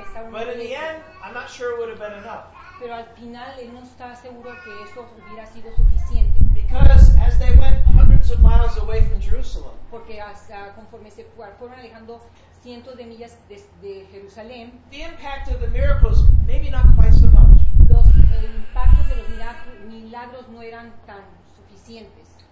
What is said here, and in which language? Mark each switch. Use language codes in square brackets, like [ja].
[en] but in the end, I'm not sure it would have been enough. [es] Pero al final, él no estaba seguro que eso hubiera sido suficiente. [en] Because as they went hundreds of miles away from Jerusalem, [es] porque hasta conforme se fueron alejando cientos de millas de Jerusalén, [en] the impact of the miracles maybe not quite so much. [es] El impacto de los milagros no eran tan suficientes.